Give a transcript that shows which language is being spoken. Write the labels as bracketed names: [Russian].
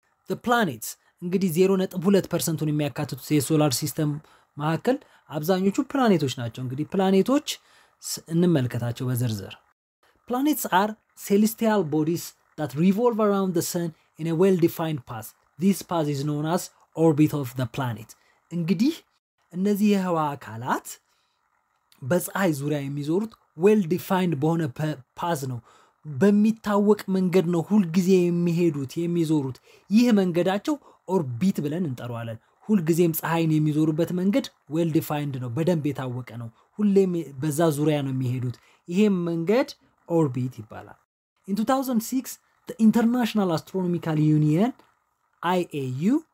[English] The planets [Amharic] እንግዲህ 0.2%ን የሚያካትቱት የሶላር ሲስተም ማዕከል አብዛኞቹ ፕላኔቶች ናቸው። እንግዲህ ፕላኔቶች እንመልከታቸው በዝርዝር። [English] Planets are celestial bodies that revolve around the sun in a well-defined path. This path is known as orbit of the planet. [Amharic] እንግዲህ እነዚህ የህዋ አካላት በፀሐይ ዙሪያ የሚዞሩት well-defined በሆነ ፓዝ ነው፣ በሚታወቅ መንገድ ነው ሁልጊዜ የሚሄዱት የሚዞሩት። ይህ መንገዳቸው ኦርቢት ብለን እንጠራዋለን። ሁልጊዜም ፀሐይን የሚዞሩበት መንገድ ዌል ዲፋይንድ ነው፣ በደንብ የታወቀ ነው። ሁሌም በዛ ዙሪያ ነው የሚሄዱት። ይሄም መንገድ ኦርቢት ይባላል። [English] In 2006, the International Astronomical Union, IAU,